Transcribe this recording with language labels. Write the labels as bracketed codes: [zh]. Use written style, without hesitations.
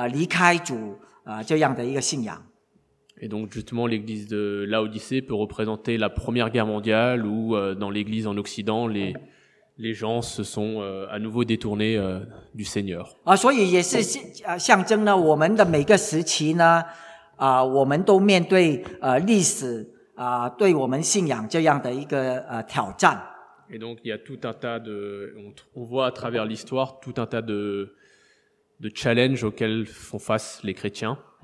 [zh] 那老底嘉呢，就是讲到我们现代呢，我们就是第一次世界大战之后呢，我们就过着这些离开主这样的一个信仰。 [fr] Et donc justement, l'Église de Laodicée peut représenter la Première Guerre mondiale ou dans l'Église en Occident les gens se sont à nouveau détournés du Seigneur. [zh] 所以也是象征呢，我们的每个时期呢，我们都面对历史对我们信仰这样的一个挑战。 [fr] Et donc il y a tout un tas de on voit à travers l'histoire tout un tas de challenges auxquels font face les chrétiens.